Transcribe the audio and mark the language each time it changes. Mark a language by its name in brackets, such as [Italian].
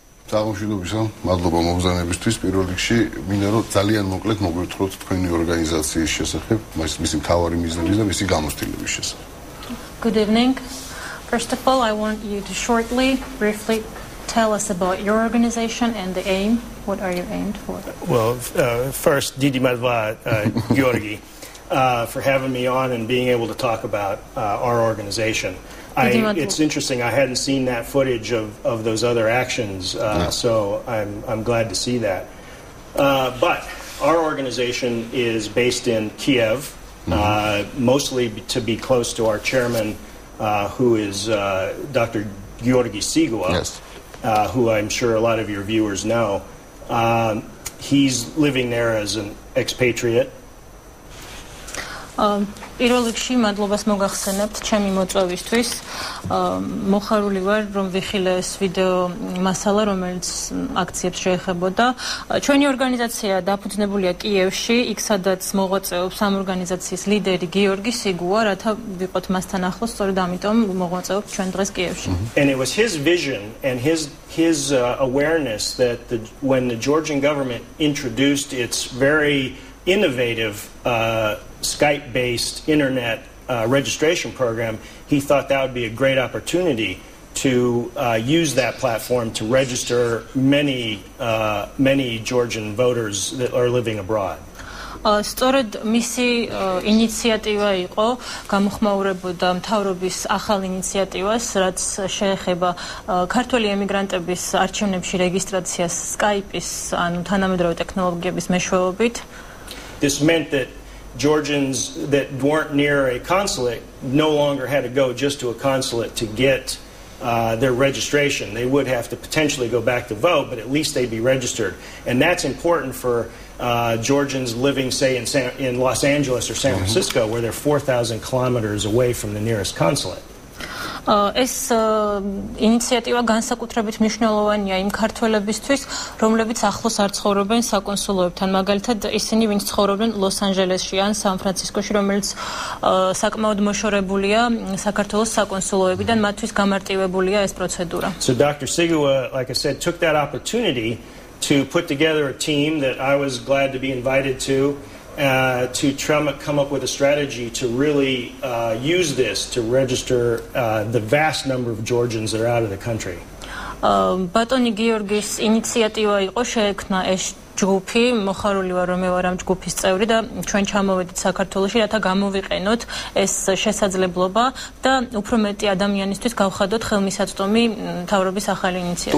[Georgian] საღამოშიდობისა, მადლობა მოგზანებისთვის. პირველ რიგში მინდა რომ ძალიან მოკლედ მოგვითხროთ თქვენი ორგანიზაციის შესახებ, მისი მთავარი მიზნები და მისი გამოცდილების შესახებ. [English] Good evening. First of all, I want you to shortly, briefly tell us about your organization and the aim. What are you aimed for? Well, first, [Georgian] დიდი მადლობა, [English] გიორგი, for having me on and being able to talk about our organization. It's interesting, I hadn't seen that footage of those other actions, so I'm glad to see that. But our organization is based in Kiev, mostly to be close to our chairman, who is Dr. Georgi Sigua, yes. Who I'm sure a lot of your viewers know. He's living there as an expatriate. [Georgian] Პირველ რიგში მადლობას მოგახსენებთ ჩემი მოწვევისთვის. მოხარული ვარ, რომ ვიხილე ეს ვიდეო მასალა, რომელიც აქციებს შეეხებოდა. ჩვენი ორგანიზაცია დაფუძნებულია კიევში, იქ სადაც მოღვაწეობს ამ ორგანიზაციის ლიდერი გიორგი სიგუა, რათა ვიყოთ მასთან ახლოს, სწორედ ამიტომ მოღვაწეობ ჩვენ დღეს კიევში. [English] And it was his vision and his awareness that when the Georgian government introduced its very innovative Skype-based internet registration program, he thought that would be a great opportunity to use that platform to register many many Georgian voters that are living abroad. [Georgian] Სწორედ მისი ინიციატივა იყო, გამოხმაურებოდა მთავრობის ახალ ინიციატივას, რაც შეეხება ქართველი ემიგრანტების არჩევნებში რეგისტრაციას Skype-ის ანუ თანამედროვე ტექნოლოგიების მეშვეობით. [English] This meant that Georgians that weren't near a consulate no longer had to go just to a consulate to get their registration. They would have to potentially go back to vote, but at least they'd be registered. And that's important for Georgians living, say, in Los Angeles or San Francisco, mm-hmm. where they're 4,000 kilometers away from the nearest consulate. [Georgian] ეს ინიციატივა განსაკუთრებით მნიშვნელოვანია იმ ქართველებისთვის, რომლებიც ახლოს არ ცხოვრობენ საკონსულოებთან, მაგალითად ისინი, ვინც ცხოვრობენ ლოს-ანჟელესში ან სან-ფრანცისკოში, რომელიც საკმაოდ მოშორებულია საქართველოს საკონსულოებიდან, მათთვის გამარტივებულია ეს პროცედურა. [English] So Dr. Sigua, like I said, took that opportunity to put together a team that I was glad to be invited to try to come up with a strategy to really use this to register the vast number of Georgians that are out of the country. [Georgian] ბატონი გიორგის ინიციატივა იყო შეექმნა ეს ჯგუფი, მოხარული ვარ, რომ მე ვარ ამ ჯგუფის წევრი და ჩვენ ჩამოვედით საქართველოში, რათა გამოვიყენოთ ეს შესაძლებლობა და უფრო მეტი ადამიანისთვის გავხადოთ ხელმისაწვდომი მთავრობის ახალი ინიციატივა.